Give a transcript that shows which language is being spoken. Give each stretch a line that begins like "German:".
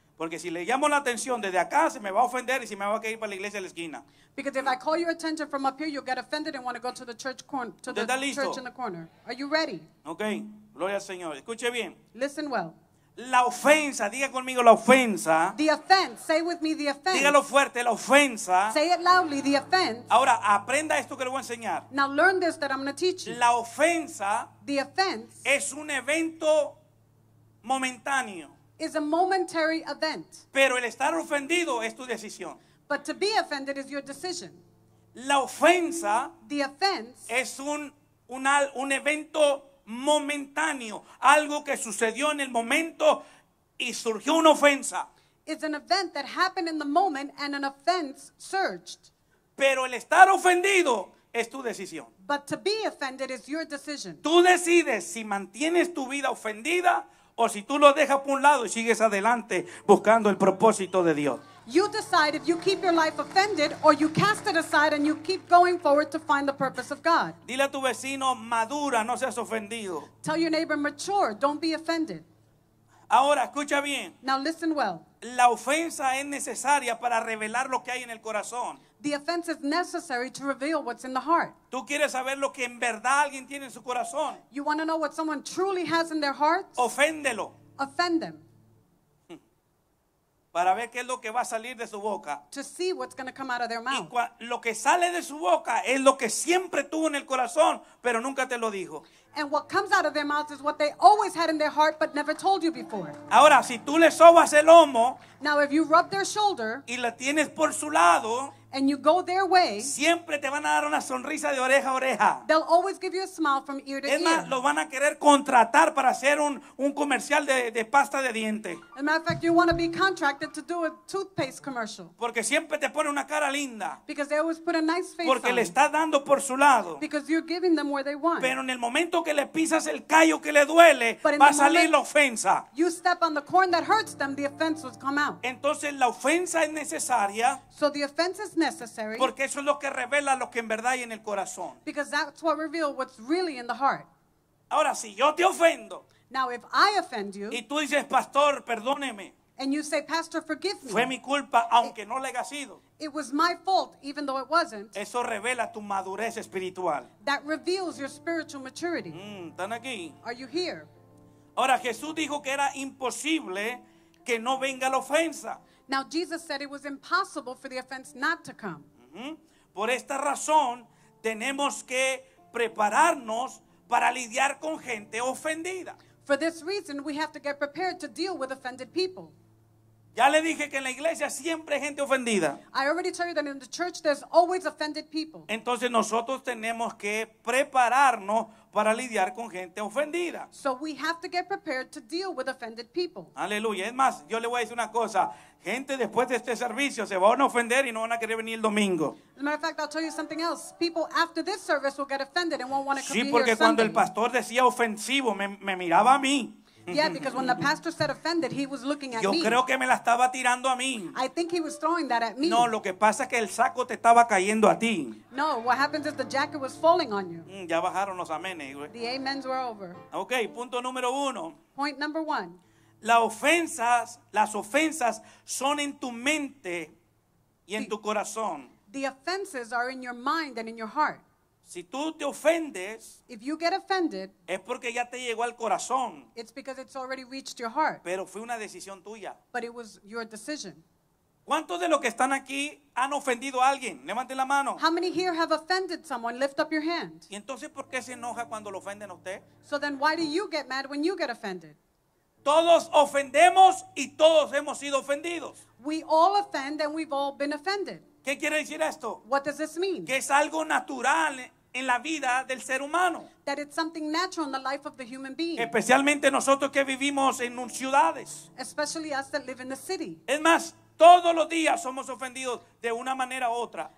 Spanish: Porque si le llamo la atención desde acá, se me va a ofender y se me va a ir para la iglesia de la esquina.
English: Because if I call your attention from up here, you'll get offended and want to go to the church corner, to the church in the corner. Are you ready?
Spanish: Okay. Gloria al Señor. Escuche bien.
English: Listen well.
Spanish: La ofensa. Diga conmigo la ofensa.
English: The offense. Say with me the offense.
Spanish: Dígalo fuerte, la ofensa.
English: Say it loudly, the offense.
Spanish: Ahora, aprenda esto que le voy a enseñar.
English: Now learn this that I'm going to teach you.
Spanish: La ofensa.
English: The offense.
Spanish: Es un evento momentáneo.
English: Is a momentary event.
Spanish: Pero el estar ofendido es tu decisión.
English: But to be offended is your decision.
Spanish: La ofensa,
English: the offense,
Spanish: es un evento momentáneo, algo que sucedió en el momento y surgió una ofensa.
English: It's an event that happened in the moment and an offense surged.
Spanish: Pero el estar ofendido es tu decisión.
English: But to be offended is your decision.
Spanish: Tú decides si mantienes tu vida ofendida o si tú lo dejas por un lado y sigues adelante buscando el propósito de Dios.
English: You decide if you keep your life offended or you cast it aside and you keep going forward to find the purpose of God.
Spanish: Dile a tu vecino, madura, no seas ofendido.
English: Tell your neighbor, mature, don't be offended.
Spanish: Ahora, escucha bien.
English: Now listen well.
Spanish: La ofensa es necesaria para revelar lo que hay en el corazón.
English: The offense is necessary to reveal what's in the heart.
Spanish: ¿Tú quieres saber lo que en verdad alguien tiene en su corazón?
English: You want to know what someone truly has in their heart?
Spanish: Oféndelo.
English: Offend them.
Spanish: Para ver qué es lo que va a salir de su boca.
English: To see what's going to come out of their mouth.
Spanish: Y lo que sale de su boca es lo que siempre tuvo en el corazón, pero nunca te lo dijo.
English: And what comes out of their mouth is what they always had in their heart but never told you before.
Spanish: Ahora, si tú le sobas el lomo,
English: now if you rub their shoulder
Spanish: y la tienes por su lado,
English: and you go their way,
Spanish: siempre te van a dar una sonrisa de oreja a oreja.
English: They'll always give you a smile from ear to ear.
Spanish: Es más, lo van a querer contratar para hacer un comercial de pasta de diente.
English: As a matter of fact, you want to be contracted to do a toothpaste commercial.
Spanish: Porque siempre te pone una cara linda.
English: Because they always put a nice face.
Spanish: Porque
English: on
Spanish: le está dando por su lado.
English: Because you're giving them where they want.
Spanish: Pero en el momento que le pisas el callo que le duele, va a salir la ofensa.
English: You step on the corn that hurts them, the offense will come out.
Spanish: Entonces la ofensa es necesaria.
English: So the offense is necessary.
Spanish: Porque eso es lo que revela lo que en verdad hay en el corazón.
English: Because that's what reveals what's really in the heart.
Spanish: Ahora, si yo te ofendo,
English: now if I offend you,
Spanish: y tú dices, pastor, perdóneme,
English: and you say, pastor, forgive me,
Spanish: fue mi culpa, aunque no le haya sido,
English: it was my fault, even though it wasn't,
Spanish: eso revela tu madurez espiritual.
English: That reveals your spiritual maturity.
Spanish: ¿Están aquí?
English: Are you here?
Spanish: Ahora, Jesús dijo que era imposible que no venga la ofensa.
English: Now Jesus said it was impossible for the offense not to come.
Spanish: Por esta razón, tenemos que prepararnos para lidiar con gente ofendida.
English: For this reason, we have to get prepared to deal with offended people.
Spanish: Ya le dije que en la iglesia siempre hay gente ofendida.
English: I already told you that in the church there's always offended people.
Spanish: Entonces nosotros tenemos que prepararnos para lidiar con gente ofendida.
English: So we have to get prepared to deal with offended people.
Spanish: Aleluya. Es más, yo le voy a decir una cosa. Gente después de este servicio se van a ofender y no van a querer venir el domingo.
English: As a matter of fact, I'll tell you something else. People after this service will get offended and won't want to come here Sunday.
Spanish: Sí, porque cuando el pastor decía ofensivo, me miraba a mí.
English: Yeah, because when the pastor said offended, he was looking at
Spanish: yo
English: me.
Spanish: Yo creo que me la estaba tirando a mí.
English: I think he was throwing that at me.
Spanish: No, lo que pasa es que el saco te estaba cayendo a ti.
English: No, what happens is the jacket was falling on you.
Spanish: Ya bajaron los amenes.
English: The amens were over.
Spanish: Okay, punto número uno.
English: Point number one.
Spanish: Las ofensas son en tu mente y en tu corazón.
English: The offenses are in your mind and in your heart.
Spanish: Si tú te ofendes,
English: if you get offended,
Spanish: es porque ya te llegó al corazón.
English: It's because it's already reached your heart.
Spanish: Pero fue una decisión tuya.
English: But it was your decision.
Spanish: ¿Cuántos de los que están aquí han ofendido a alguien? Levanten la mano.
English: How many here have offended someone? Lift up your hand.
Spanish: ¿Y entonces por qué se enoja cuando lo ofenden a usted?
English: So then why do you get mad when you get offended?
Spanish: Todos ofendemos y todos hemos sido ofendidos.
English: We all offend and we've all been offended.
Spanish: ¿Qué quiere decir esto?
English: What does this mean?
Spanish: Que es algo natural en la vida del ser humano.
English: That it's something natural in the life of the human being.
Spanish: Especialmente nosotros que vivimos en ciudades.
English: Especially us that live in the city.
Spanish: Es más, todos los días somos ofendidos de una manera u otra.